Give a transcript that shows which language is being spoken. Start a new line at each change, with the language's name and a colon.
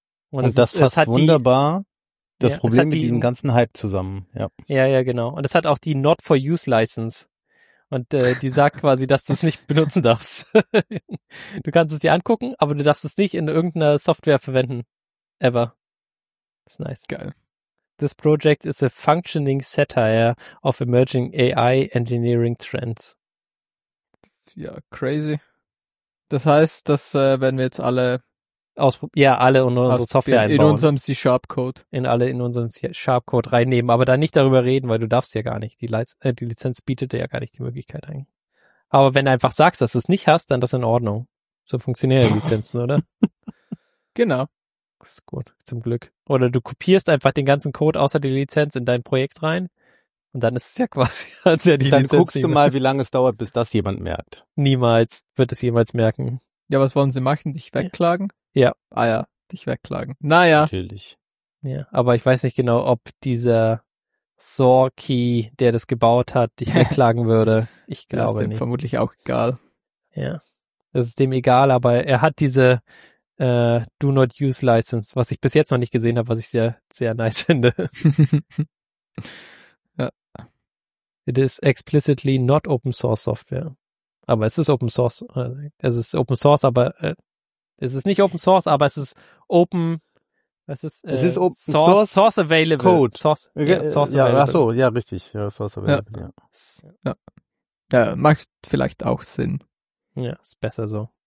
German: Und das fasst wunderbar das Problem mit diesem ganzen Hype zusammen. Ja. Ja, genau. Und es hat auch die Not for Use License. Und die sagt quasi, dass du es nicht benutzen darfst. Du kannst es dir angucken, aber du darfst es nicht in irgendeiner Software verwenden. Ever. Das ist nice. Geil.
English: This project is a functioning satire of emerging AI engineering trends.
German: Ja, crazy. Das heißt, dass wenn wir jetzt alle alle in unsere Software einbauen. In unserem C-Sharp-Code. In unseren C-Sharp-Code reinnehmen, aber da nicht darüber reden, weil du darfst ja gar nicht. Die Lizenz bietet dir ja gar nicht die Möglichkeit ein. Aber wenn du einfach sagst, dass du es nicht hast, dann ist das in Ordnung. So funktionieren Lizenzen, oder? Genau. Das ist gut, zum Glück. Oder du kopierst einfach den ganzen Code außer die Lizenz in dein Projekt rein und dann ist es ja quasi als ja die dann Lizenz. Dann guckst du mal, wie lange es dauert, bis das jemand merkt. Niemals wird es jemals merken. Ja, was wollen sie machen? Dich wegklagen? Ja. Ja. Ah ja, dich wegklagen. Naja. Natürlich. Ja, aber ich weiß nicht genau, ob dieser Sorki, der das gebaut hat, dich wegklagen würde. Ich glaube nicht. Ist dem vermutlich auch egal. Ja, das ist dem egal, aber er hat diese Do Not Use License, was ich bis jetzt noch nicht gesehen habe, was ich sehr, sehr nice finde. Ja.
English: It is explicitly not Open Source Software.
German: Aber es ist Open Source. Es ist Open Source, aber... Es ist nicht Open Source, aber es ist Open. Es ist Open Source Available. Code. Source Available. Ach so, ja, richtig. Ja, Source Available. Ja. Ja. Ja, macht vielleicht auch Sinn. Ja, ist besser so.